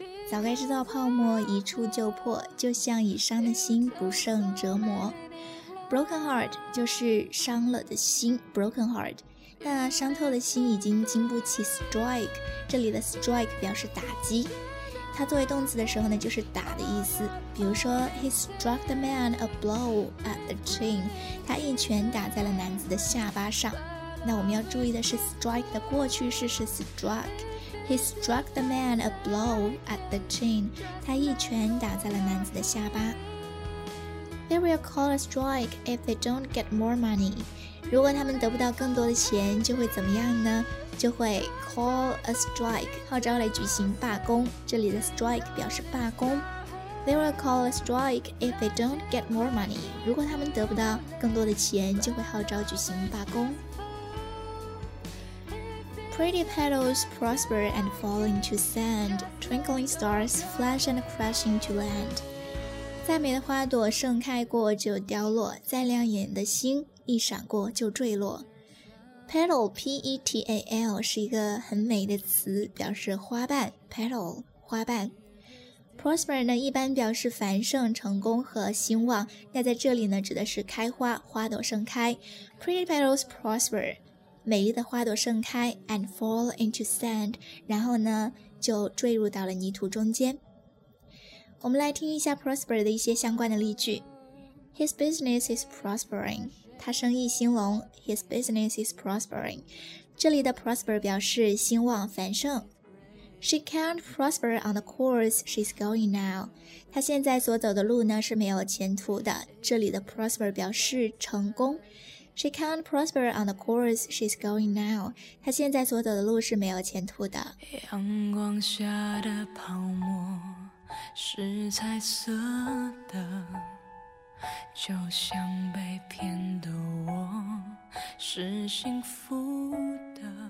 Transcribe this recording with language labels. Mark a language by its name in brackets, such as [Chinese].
[Chinese] 早该知道泡沫一触就破，就像已伤的心不胜折磨。 [English] Broken heart [Chinese] 就是伤了的心 ，broken heart。那伤透的心已经经不起 strike。这里的 strike 表示打击，它作为动词的时候呢，就是打的意思。比如说 [English] ，He struck the man a blow at the chin. [Chinese] 他一拳打在了男子的下巴上。那我们要注意的是 strike 的过去式是 struck [English] He struck the man a blow at the chin [Chinese] 他一拳打在了男子的下巴 [English] They will call a strike if they don't get more money [Chinese] 如果他们得不到更多的钱就会怎么样呢就会 [English] call a strike [Chinese] 号召来举行罢工这里的 [English] strike [Chinese] 表示罢工 [English] They will call a strike if they don't get more money [Chinese] 如果他们得不到更多的钱就会号召举行罢工 [English] Pretty petals prosper and fall into sand. Twinkling stars flash and crash into land. [Chinese] 再美的花朵盛开过就凋落，再亮眼的星一闪过就坠落。 Petal, P-E-T-A-L, 是一个很美的词，表示花瓣。 Petal, 花瓣。 Prosper 呢，一般表示繁盛、成功和兴旺。那在这里呢，指的是开花，花朵盛开。Pretty petals prosper. 美丽的花朵盛开 [English] and fall into sand [Chinese] 然后呢就坠入到了泥土中间我们来听一下 Prosper 的一些相关的例句 [English] His business is prospering [Chinese] 他生意兴隆 [English] His business is prospering [Chinese] 这里的 [English] prosper [Chinese] 表示兴旺繁盛 [English] She can't prosper on the course she's going now [Chinese] 他现在所走的路呢是没有前途的这里的 [English] prosper [Chinese] 表示成功 [English] She can't prosper on the course she's going now. [Chinese] 她现在所走的路是没有前途的。阳光下的泡沫是彩色的，就像被骗的我是幸福的。